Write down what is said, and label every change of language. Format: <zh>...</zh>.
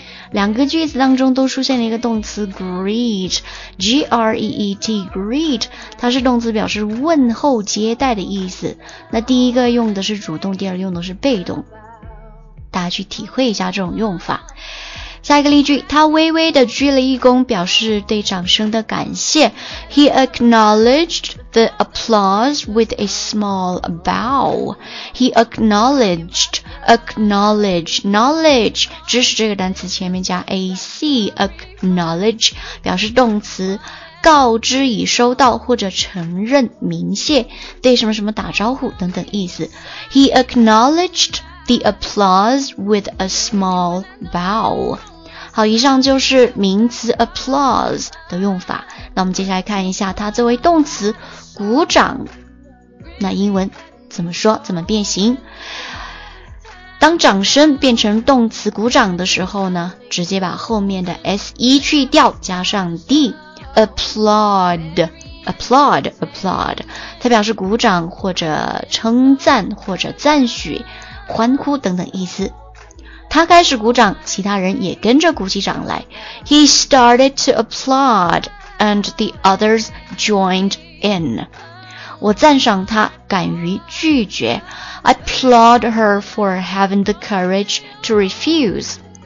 <zh>两个句子当中都出现了一个动词 greet, 它是动词表示问候接待的意思。那第一个用的是主动，第二用的是被动，大家去体会一下这种用法。下一个例句，他微微的鞠了一躬，表示对掌声的感谢。</zh> <en>He acknowledged the applause with a small bow. He acknowledge,</en> <zh>知识这个单词前面加 ac, acknowledge, 表示动词，告知已收到或者承认明谢，对什么什么打招呼等等意思。</zh> <en>He acknowledged the applause with a small bow.</en> <zh>好，以上就是名词 applause 的用法。那我们接下来看一下它作为动词鼓掌，那英文怎么说，怎么变形。当掌声变成动词鼓掌的时候呢，直接把后面的 se 去掉，加上 d, applaud, 它表示鼓掌或者称赞或者赞许、欢呼等等意思。他开始鼓掌，其他人也跟着鼓起掌来。</zh> <en>He started to applaud, and the others joined in.</en> <zh>我赞赏他敢于拒绝。</zh> <en>I applaud her for having the courage to refuse.</en>